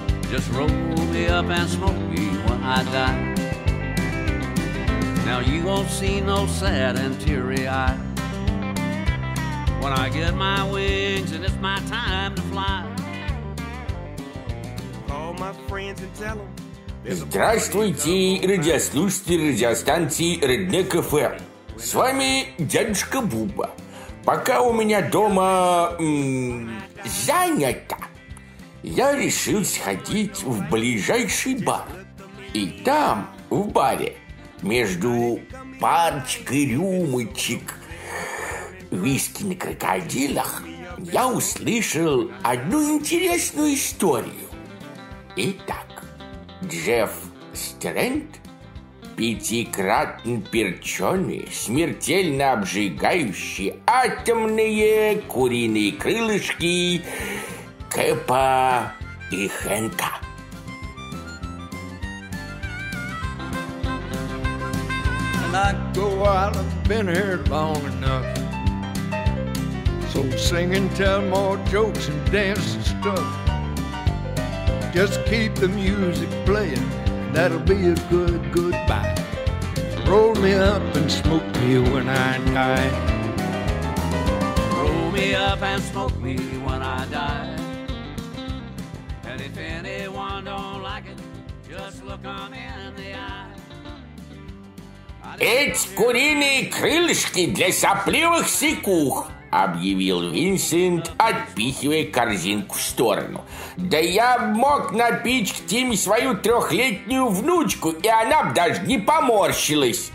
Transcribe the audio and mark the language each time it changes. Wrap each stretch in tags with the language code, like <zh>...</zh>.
<en>Just roll me up and smoke me when I die. Now you won't see no sad and teary eye when I get my wings and it's my time to fly. Call my friends and tell them.</en> <ru>Здравствуйте, радиослушатели радиостанции Redneck FM. С вами дядюшка Буба. Пока у меня дома занято, я решил сходить в ближайший бар. И там, в баре, между парочкой рюмочек виски на крокодилах, я услышал одну интересную историю. Итак. Джефф Стрэнд, пятикратно перченый, смертельно обжигающий атомные куриные крылышки Кэпа и Хэнка.</ru> <en>And I go out, I've been here long enough. So sing and tell more jokes and dance and stuff. Just keep the music playing, that'll be a good goodbye. Roll me up and smoke me when I die. Roll me up and smoke me when I die. And if anyone don't like it, just look 'em in the eye.</en> <ru>Эти куриные крылышки для сопливых сикух, объявил Винсент, отпихивая корзинку в сторону. Да я мог напичкать им свою трехлетнюю внучку, и она б даже не поморщилась.</ru>